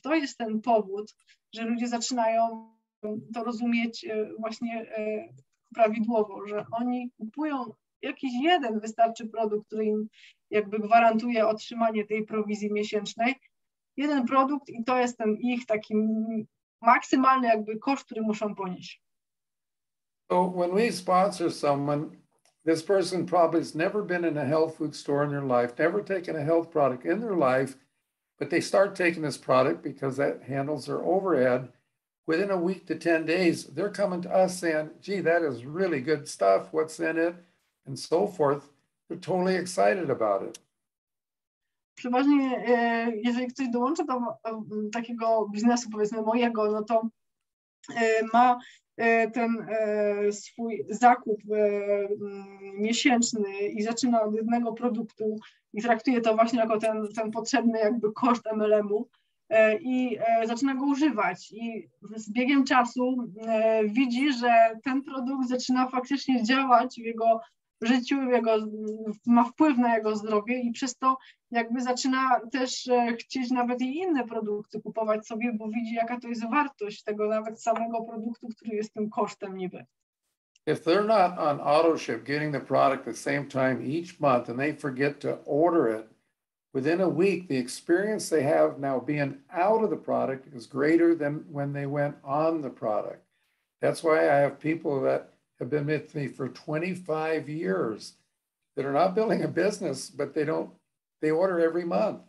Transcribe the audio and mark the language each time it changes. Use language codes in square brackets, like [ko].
[pl] To jest ten powód, że ludzie zaczynają to rozumieć właśnie prawidłowo, że oni kupują jakiś jeden wystarczy produkt, który im jakby gwarantuje otrzymanie tej prowizji miesięcznej. Jeden produkt i to jest ten ich taki maksymalny jakby koszt, który muszą ponieść. [en] So when we sponsor someone, this person probably has never been in a health food store in their life, never taken a health product in their life, but they start taking this product because that handles their overhead. Within a week to 10 days, they're coming to us saying, gee, that is really good stuff. What's in it? And so forth. They're totally excited about it. [pl] Przeważnie, jeżeli ktoś dołącza do takiego biznesu, powiedzmy mojego, no to ma ten swój zakup miesięczny i zaczyna od jednego produktu i traktuje to właśnie jako ten potrzebny jakby koszt MLM-u i zaczyna go używać. I z biegiem czasu widzi, że ten produkt zaczyna faktycznie działać w jego życiu, jego, ma wpływ na jego zdrowie i przez to jakby zaczyna też chcieć nawet i inne produkty kupować sobie, bo widzi, jaka to jest wartość tego nawet samego produktu, który jest tym kosztem niby. [en] If they're not on auto ship getting the product the same time each month and they forget to order it, within a week the experience they have now being out of the product is greater than when they went on the product. That's why I have people that have been with me for 25 years that are not building a business, but they order every month.